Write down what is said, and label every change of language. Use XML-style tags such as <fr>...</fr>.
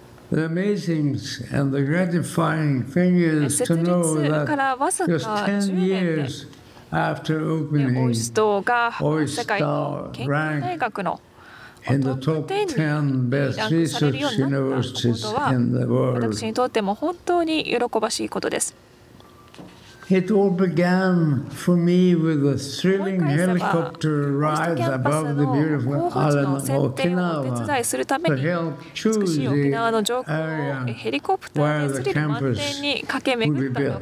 <en>The amazing and the gratifying thing is to know that just 10 years after opening, OIST ranked. In the top 10 best research universities in the world.</en> <ja>私にとっても本当に喜ばしいことです。</ja> <en>It all began for me with a thrilling helicopter ride above the beautiful island of Okinawa to help choose the area where the campus would be built.</en>